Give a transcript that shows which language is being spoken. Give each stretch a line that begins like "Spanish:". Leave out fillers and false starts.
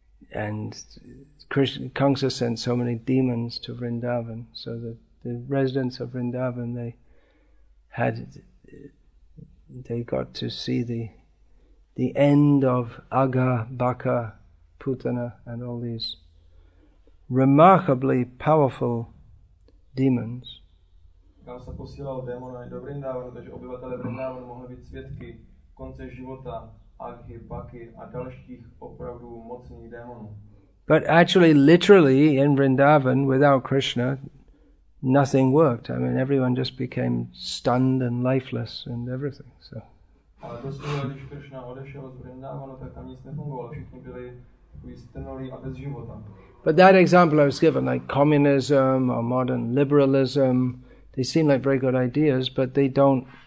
English: And Kamsa sent so many demons to Vrindavan, so that the residents of Vrindavan they got to see the end of Aga, Baka, Putana, and all these remarkably powerful demons. Kamsa posílal démony do Vrindavanu, takže obyvatelé Vrindavanu mohli být svědky konce života Aghy, Baky a dalších opravdu mocných démonů. But actually, literally, in Vrindavan, without Krishna, nothing worked. I mean, everyone just became stunned and lifeless and everything. So.
Czech: Ale doslova, když Krishna odešel z Vrindavanu, tak tam nic nefungovalo. Všichni byli vystrnulí a bez života.
English: But that example I was given, like communism or modern liberalism, they seem like very good ideas, but they don't.